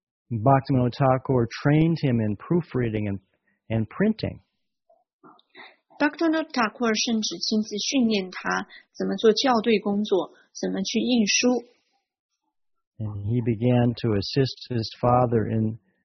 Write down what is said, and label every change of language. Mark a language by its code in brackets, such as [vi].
[en] Bhaktivinoda Thakur trained him in proofreading and printing. [zh] Bhaktivinoda Thakur 甚至亲自训练他怎么做校对工作，怎么去印书。 [en] And he began to assist his father in.